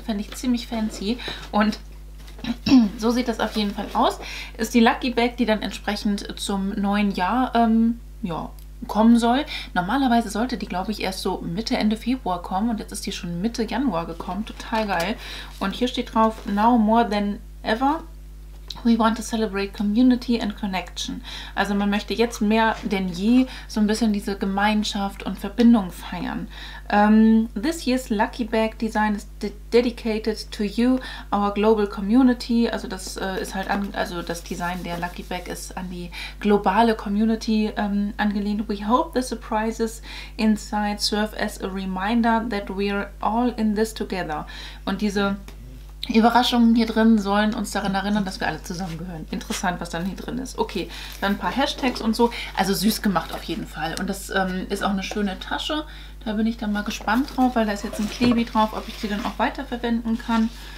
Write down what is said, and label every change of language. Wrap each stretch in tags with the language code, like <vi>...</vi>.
<de>Fände ich ziemlich fancy. Und so sieht das auf jeden Fall aus. Ist die Lucky Bag, die dann entsprechend zum neuen Jahr, ja, kommen soll. Normalerweise sollte die, glaube ich, erst so Mitte, Ende Februar kommen. Und jetzt ist die schon Mitte Januar gekommen. Total geil. Und hier steht drauf,</de> <en>now more than ever. We want to celebrate community and connection.</en> <de>Also man möchte jetzt mehr denn je so ein bisschen diese Gemeinschaft und Verbindung feiern.</de> <en>This year's lucky bag design is dedicated to you, our global community.</en> <de>Also das ist halt, das Design der Lucky Bag ist an die globale Community angelehnt.</de> <en>We hope the surprises inside serve as a reminder that we're all in this together.</en> <de>Und diese Überraschungen hier drin sollen uns daran erinnern, dass wir alle zusammengehören. Interessant, was dann hier drin ist. Okay, dann ein paar Hashtags und so. Also süß gemacht auf jeden Fall. Und das ist auch eine schöne Tasche. Da bin ich dann mal gespannt drauf, weil da ist jetzt ein Klebi drauf, ob ich die dann auch weiterverwenden kann.</de>